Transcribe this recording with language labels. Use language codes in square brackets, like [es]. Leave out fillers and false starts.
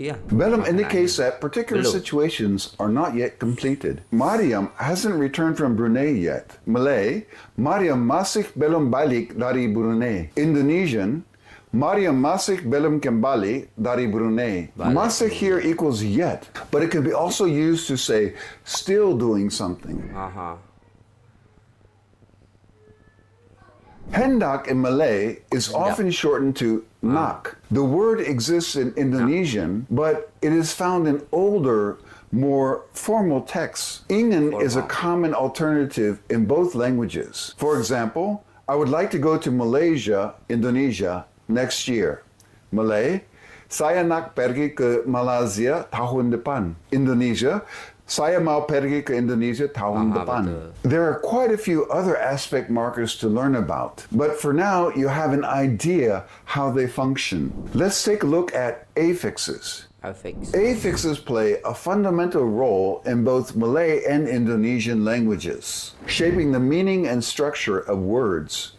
[en] Belum indicates that particular situations are not yet completed. Mariam hasn't returned from Brunei yet. [ms] Malay, Mariam masih belum balik dari Brunei. [id] Indonesian, Mariam masih belum kembali dari Brunei. [en] Masih here equals yet, but it can be also used to say still doing something. Hendak in Malay is often shortened to nak. The word exists in Indonesian, but it is found in older, more formal texts. Ingin is a common alternative in both languages. For example, I would like to go to Malaysia, Indonesia next year. [ms] Malay, saya nak pergi ke Malaysia tahun depan. [id] Indonesia, saya mau pergi ke Indonesia tahun depan. [en] There are quite a few other aspect markers to learn about, but for now you have an idea how they function. Let's take a look at affixes. Affixes play a fundamental role in both Malay and Indonesian languages, shaping the meaning and structure of words.